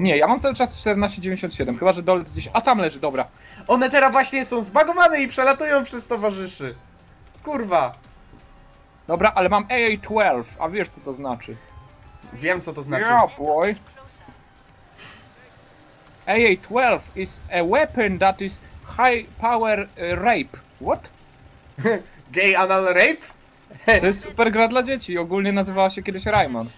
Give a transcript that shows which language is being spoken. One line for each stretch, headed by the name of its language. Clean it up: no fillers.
Polish: Nie, ja mam cały czas 14,97, chyba że dolec gdzieś... A tam leży, dobra. One teraz właśnie są zbagowane i przelatują przez towarzyszy. Kurwa. Dobra, ale mam AA-12, a wiesz co to znaczy. Wiem co to znaczy.
English: Yeah, boy. AA-12 is a weapon that is high power rape. What? Gay anal rape?
Polish: To jest super gra dla dzieci, ogólnie nazywała się kiedyś Rayman.